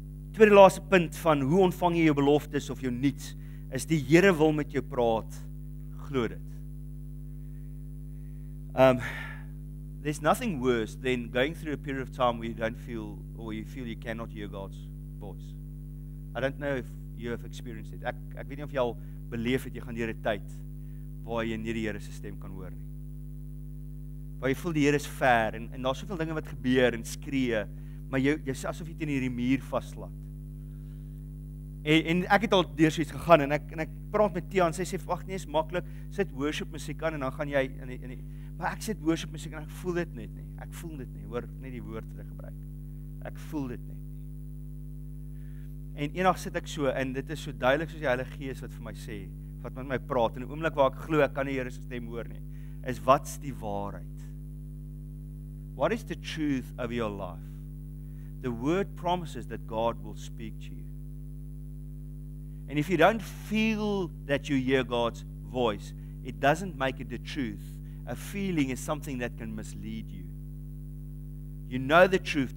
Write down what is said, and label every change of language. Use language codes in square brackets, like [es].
[af] Tweede laaste punt van hoe ontvang jy jou beloftes of jou niets, is die Here wil met jou praat, glo dit. [en] There's nothing worse than going through a period of time where you don't feel, or you feel you cannot hear God's voice. I don't know if you have experienced it. [af] Ek weet nie of jy al beleef het, jy gaan deur 'n tyd waar jy nie die Here se stem kan hoor nie. Waar jy voel die Here is ver, en daar's soveel dinge wat gebeur en skree, maar jy sê asof jy teen hierdie muur vaslaat. En ek het al deur so iets gegaan, en ek praat met Tia, en sy sê, wag nie, is maklik, sit worship musiek aan, en dan gaan jy in die maar ek sit worship musiek en ek voel dit net nie. Ek voel dit nie, hoor net die woord wat ek gebruik. Ek voel dit net nie. En eendag sit ek so, en dit is so duidelik soos die Heilige Gees wat vir my sê, wat met my praat, en die oomblik waar ek glo, ek kan die Here se stem hoor nie, is wat's die waarheid? [en] What is the truth of your life? The word promises that God will speak to you. And if you don't feel that you hear God's voice, it doesn't make it the truth. A feeling is something that can mislead you. You know the truth.